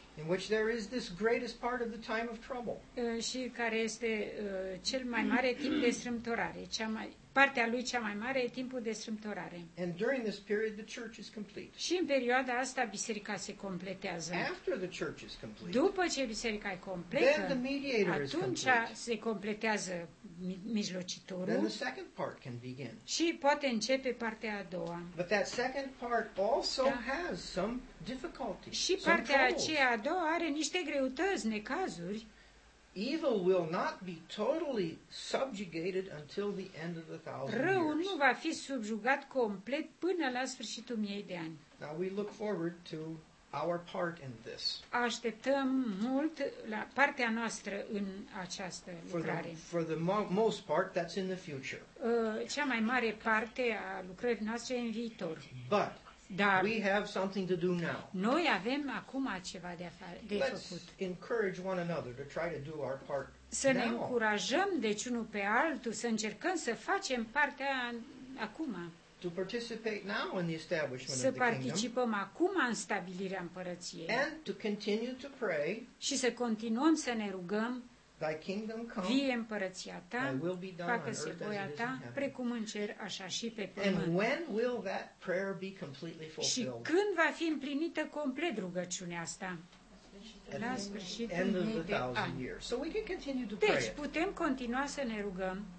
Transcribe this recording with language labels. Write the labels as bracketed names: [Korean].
[English] In which there is this greatest part of the time of trouble. [Romanian] Și care este cel mai mare timp de strâmtorare, partea lui cea mai mare e timpul de strâmtorare. [English] And during this period the church is complete. [Romanian] Și în perioada asta biserica se completează. [English] After the church is complete. [Romanian] După ce biserica e completă, [English] then the mediator is complete. [Romanian] Atunci se completează mijlocitorul. [English] Then the second part can begin. [Romanian] Și poate începe partea a doua. [English] But that second part also has some difficulties. [Romanian] Și partea aceea a doua are niște greutăți, necazuri. [English] Evil will not be totally subjugated until the end of the thousand years. [Romanian] Răul nu va fi subjugat complet până la sfârșitul miei de ani. [English] Now we look forward to our part in this. [Romanian] Așteptăm mult la partea noastră în această lucrare. [English] For the most part, that's in the future. [Romanian] Cea mai mare parte a lucrării noastre e în viitor. [English] But [Romanian] dar [English] we have something to do now. [Romanian] Noi avem acum ceva de făcut. [English] Let's encourage one another to try to do our part. [Romanian] Să ne încurajăm deci unul pe altul să încercăm să facem partea acum. [English] To participate now in the establishment of the kingdom. [Romanian] Să participăm acum în stabilirea împărăției. [English] And to continue to pray. [Romanian] Și să continuăm să ne rugăm. [English] Thy kingdom come. [Romanian] Vie împărăția ta. [English] Thy will be done on earth as it is in heaven. [Romanian] Precum în cer, așa și pe pământ. [English] And when will that prayer be completely fulfilled? [Romanian] Și când va fi împlinită complet rugăciunea asta? La sfârșitul [English] end of the thousand years. So we can continue to pray. [Romanian] Deci putem continua să ne rugăm.